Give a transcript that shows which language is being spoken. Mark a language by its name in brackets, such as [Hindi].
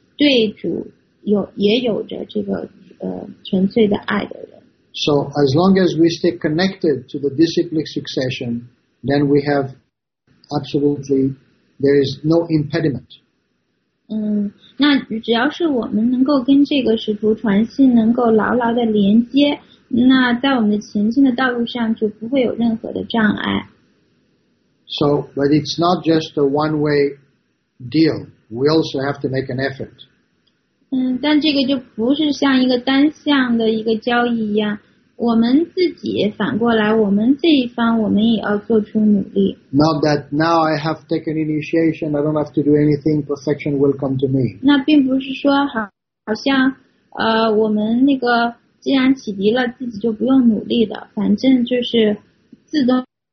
[Chinese] 对主有也有着这个纯粹的爱的人。 [English] So as long as we stay connected to the disciplic succession, then we have absolutely there is no impediment. [Chinese] 嗯，那只要是我们能够跟这个使徒传信能够牢牢的连接，那在我们的前进的道路上就不会有任何的障碍。 [English] So, but it's not just a one-way deal. We also have to make an effort. [Chinese] 嗯，但这个就不是像一个单向的一个交易一样。我们自己反过来，我们这一方，我们也要做出努力。 [English] Not that now I have taken initiation, I don't have to do anything. Perfection will come to me. [Chinese] 那并不是说好像我们那个既然启迪了，自己就不用努力的，反正就是自动。